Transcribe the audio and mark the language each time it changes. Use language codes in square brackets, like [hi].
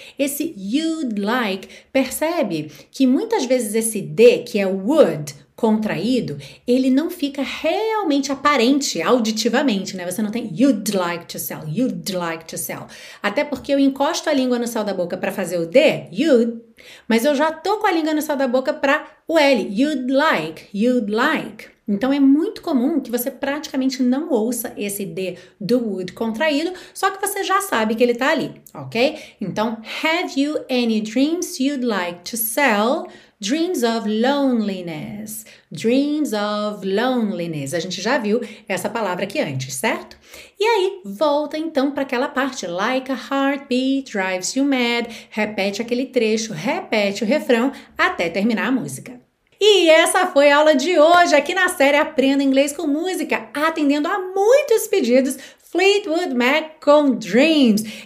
[pt] Esse you'd like, percebe que muitas vezes esse D, que é would, contraído, ele não fica realmente aparente auditivamente, né? Você não tem you'd like to sell, you'd like to sell. Até porque eu encosto a língua no céu da boca para fazer o D, you'd, mas eu já tô com a língua no céu da boca para o L, you'd like, you'd like. Então, é muito comum que você praticamente não ouça esse D do would contraído, só que você já sabe que ele tá ali, ok? [en] Então, have you any dreams you'd like to sell? Dreams of loneliness. Dreams of loneliness. [pt] A gente já viu essa palavra aqui antes, certo? E aí, volta então para aquela parte. [en] Like a heartbeat drives you mad. [pt] Repete aquele trecho, repete o refrão até terminar a música. E essa foi a aula de hoje aqui na série Aprenda Inglês com Música, atendendo a muitos pedidos Fleetwood Mac com Dreams.